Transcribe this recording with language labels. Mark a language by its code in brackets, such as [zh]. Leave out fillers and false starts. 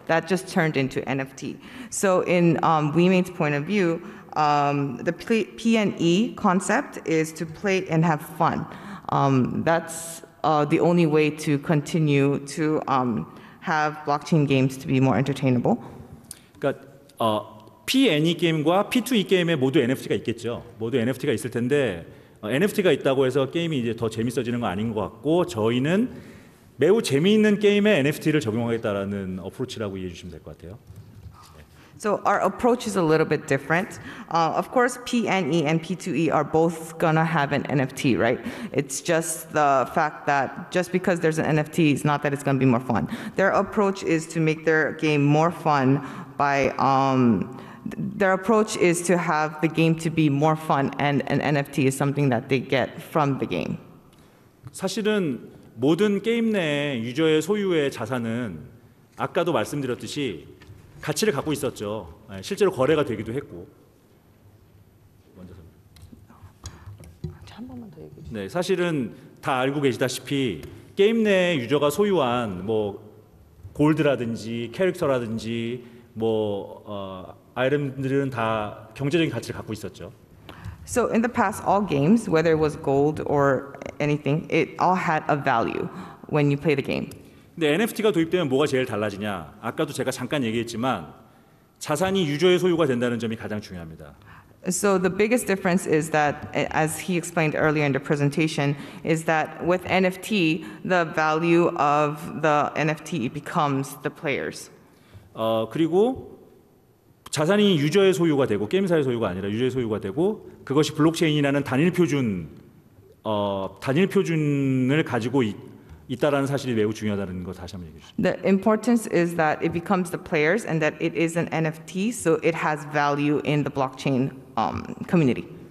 [en] That just turned into NFT. So in WeMade's point of view, the PNE concept is to play and have fun. That's the only way to continue to have blockchain games to be more entertainable. [ko] 그러니까 PNE 게임과 P2E 게임에 모두 NFT가 있겠죠. 모두 NFT가 있을 텐데 NFT가 있다고 해서 게임이 이제 더 재밌어지는 거 아닌 것 같고 저희는 매우 재미있는 게임에 NFT를 적용하겠다라는 어프로치라고 이해해 주시면 될 것 같아요. [en] So our approach is a little bit different. Of course, PNE and P2E are both gonna have an NFT, right? It's just the fact that just because there's an NFT, it's not that it's gonna be more fun. Their approach is to make their game more fun by, their approach is to have the game to be more fun, and an NFT is something that they get from the game. [ko] 사실은 모든 게임 내 유저의 소유의 자산은 아까도 말씀드렸듯이 가치를 갖고 있었죠. 실제로 거래가 되기도 했고. 먼저 설명. 네, 사실은 다 알고 계시다시피 게임 내 유저가 소유한 뭐 골드라든지 캐릭터라든지 뭐 아이템들은 다 경제적인 가치를 갖고 있었죠. [en] So in the past, all games, whether it was gold or anything, it all had a value when you play the game. [ko] 근데 NFT가 도입되면 뭐가 제일 달라지냐? 아까도 제가 잠깐 얘기했지만 자산이 유저의 소유가 된다는 점이 가장 중요합니다. [en] So the biggest difference is that, as he explained earlier in the presentation, is that with NFT, the value of the NFT becomes the player's. [ko] 그리고 자산이 유저의 소유가 되고 게임사의 소유가 아니라 유저의 소유가 되고 그것이 블록체인이라는 단일 표준 단일 표준을 가지고 있다라는 사실이 매우 중요하다는 거 다시 한번 얘기해 주세요. [en] The importance is that it becomes the players and that it is an NFT, so it has value in the blockchain community.